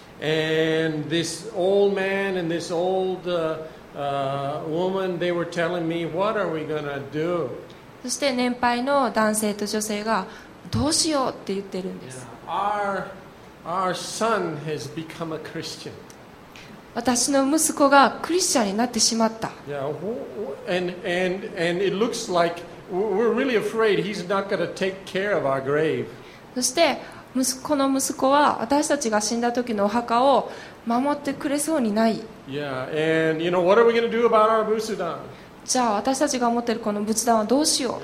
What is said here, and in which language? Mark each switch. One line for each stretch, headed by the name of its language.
English: And this old man and this old, woman, they were telling me, what are we gonna do?
Japanese: そして年配の男性と女性が、どうしようって言ってるんです。
English: Our son has become a Christian.
Japanese: 私の息子がクリスチャンになってしまった。
English: Yeah, and it looks like we're really afraid he's not going to take care of our grave.
Japanese: そしてこの息子は私たちが死んだ時のお墓を守ってくれそうにない。
English: Yeah, and you know what are we going to do about our busudan?
Japanese: じゃあ私たちが持っているこの仏壇はどうしよう